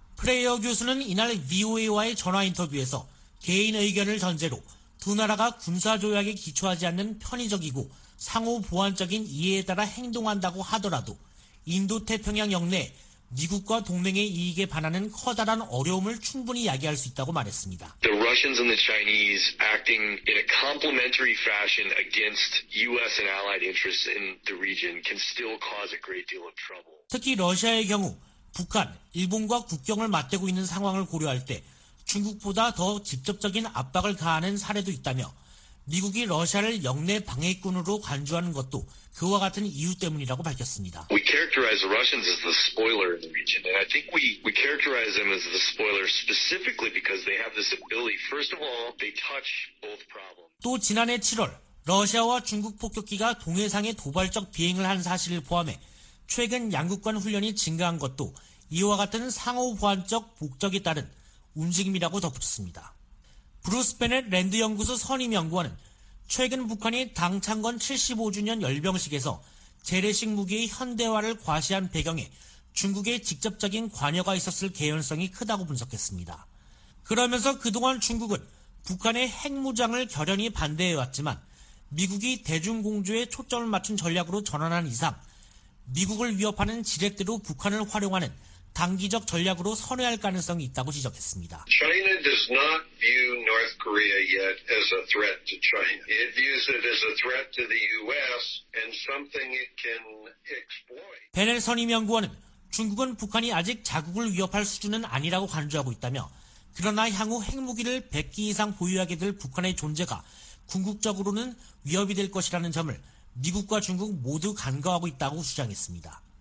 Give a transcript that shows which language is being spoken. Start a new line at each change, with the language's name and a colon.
Korean: 프레이어 교수는 이날 VOA와의 전화 인터뷰에서 개인 의견을 전제로 두 나라가 군사조약에 기초하지 않는 편의적이고 상호 보완적인 이해에 따라 행동한다고 하더라도 인도태평양 역내 미국과 동맹의 이익에 반하는 커다란 어려움을 충분히 야기할 수 있다고 말했습니다.
English: The Russians and the Chinese acting in a complementary fashion against U.S. and allied interests in the region can still cause a great deal of trouble.
Korean: 특히 러시아의 경우 북한, 일본과 국경을 맞대고 있는 상황을 고려할 때 중국보다 더 직접적인 압박을 가하는 사례도 있다며 미국이 러시아를 역내 방해꾼으로 간주하는 것도 그와 같은 이유 때문이라고 밝혔습니다.
English: We characterize the Russians as the spoiler in the region, and I think we characterize them as the spoiler specifically because they have this ability. First of all, they touch both problems.
Korean: 또 지난해 7월 러시아와 중국 폭격기가 동해상에 도발적 비행을 한 사실을 포함해 최근 양국 간 훈련이 증가한 것도 이와 같은 상호 보완적 목적에 따른 움직임이라고 덧붙였습니다. 브루스 베넷 랜드 연구소 선임 연구원은 최근 북한이 당창건 75주년 열병식에서 재래식 무기의 현대화를 과시한 배경에 중국의 직접적인 관여가 있었을 개연성이 크다고 분석했습니다. 그러면서 그동안 중국은 북한의 핵무장을 결연히 반대해왔지만 미국이 대중공조에 초점을 맞춘 전략으로 전환한 이상 미국을 위협하는 지렛대로 북한을 활용하는 단기적 전략으로 선회할 가능성이 있다고 지적했습니다.
English: China does not view North Korea yet as a threat to China. It views it as a threat to the U.S. and something it can exploit.
Korean: 베넬 선임연구원은 중국은 북한이 아직 자국을 위협할 수준은 아니라고 강조하고 있다며 그러나 향후 핵무기를 100기 이상 보유하게 될 북한의 존재가 궁극적으로는 위협이 될 것이라는 점을 미국과 중국 모두 간과하고 있다고 주장했습니다.